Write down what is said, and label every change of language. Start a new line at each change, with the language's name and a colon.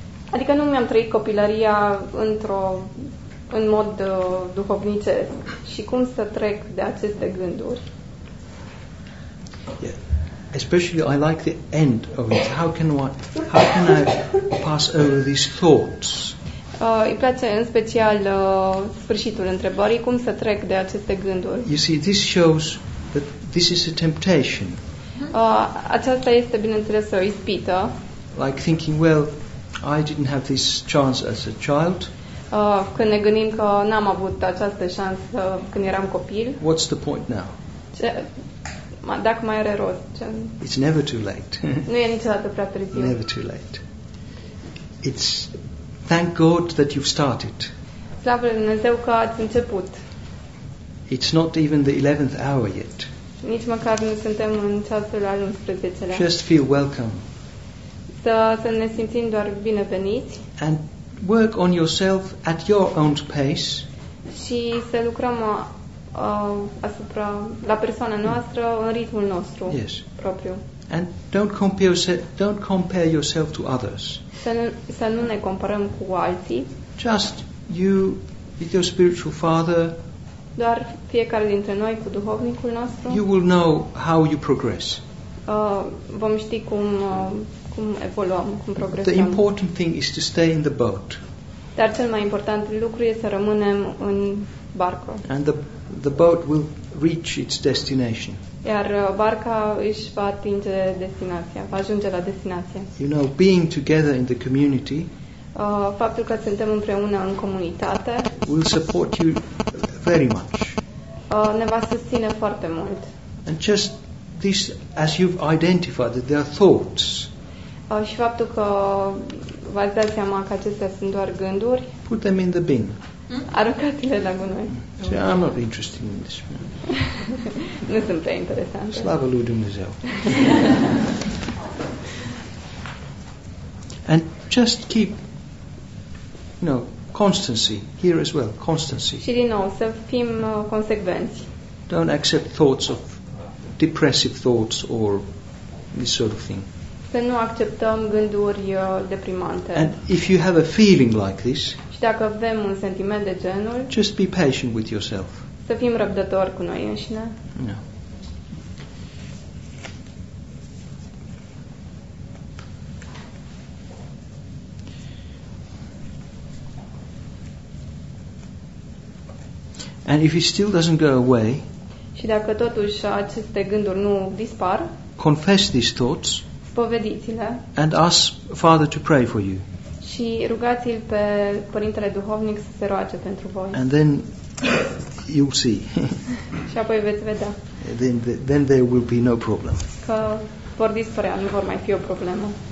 Romanian: Adică nu mi-am trăit copilăria într-o în mod duhovnicesc. Și cum să trec de aceste gânduri?
English: Yeah. Especially I like the end of it. How can I pass over these thoughts?
Romanian: Îi place în special sfârșitul întrebării, cum să trec de aceste gânduri.
English: You see, this shows that this is a temptation.
Romanian: Aceasta este, bineînțeles, o ispită.
English: Like thinking, well, I didn't have this chance as a child.
Romanian: Când ne gândim că n-am avut această șansă când eram copil.
English: What's the point now?
Romanian: Dacă mai are rost. Ce?
English: It's never too late.
Romanian: Nu e niciodată prea târziu.
English: Never too late. It's thank God that you've started.
Romanian: Slavă lui Dumnezeu că ați început.
English: It's not even the 11th hour yet.
Romanian: Nici măcar nu suntem în ceasul al 11-lea.
English: Just feel welcome.
Romanian: Să ne simțim doar bineveniți.
English: And work on yourself at your own pace.
Romanian: Și să lucrăm asupra la persoana noastră în ritmul nostru.
English: Yes.
Romanian: Propriu.
English: And don't compare yourself to others.
Romanian: Să nu ne comparăm cu alții.
English: Just you with your spiritual father.
Romanian: Doar fiecare dintre noi cu duhovnicul nostru.
English: You will know how you progress.
Romanian: Vom ști cum evoluăm, cum progresăm.
English: The important thing is to stay in the boat.
Romanian: Dar cel mai important lucru este să rămânem în barcă.
English: And the boat will reach its destination.
Romanian: Iar barca își va atinge destinația, va ajunge la destinație.
English: You know, being together in the community.
Romanian: Faptul că suntem împreună în comunitate.
English: Will support you very much.
Romanian: Ne va susține foarte mult.
English: And just this, as you've identified that there are thoughts.
Romanian: Și faptul că v-ați dat seama că acestea sunt doar gânduri.
English: Put them in the bin.
Romanian: Aruncați-le la gunoi.
English: See, I'm not interested in this.
Romanian: Nu sunt prea interesant. Slavă lui Dumnezeu.
English: And just keep, you know, constancy here as well. Constancy.
Romanian: Și din nou, să fim consecvenți.
English: Don't accept thoughts of depressive thoughts or this sort of thing.
Romanian: Să nu acceptăm gânduri deprimante.
English: And if you have a feeling like this,
Romanian: și dacă avem un sentiment de genul,
English: just be patient with yourself.
Romanian: Să fim răbdători cu noi înșine.
English: No. And if it still doesn't go away,
Romanian: și dacă totuși aceste gânduri nu dispar,
English: confess these thoughts.
Romanian: Spovediți-le.
English: And ask Father to pray for you.
Romanian: Și rugați-l pe Părintele Duhovnic să se roage pentru voi.
English: And then you'll see.
Romanian: Și apoi veți vedea.
English: Then there will be no problem.
Romanian: Că vor dispărea, nu vor mai fi o problemă.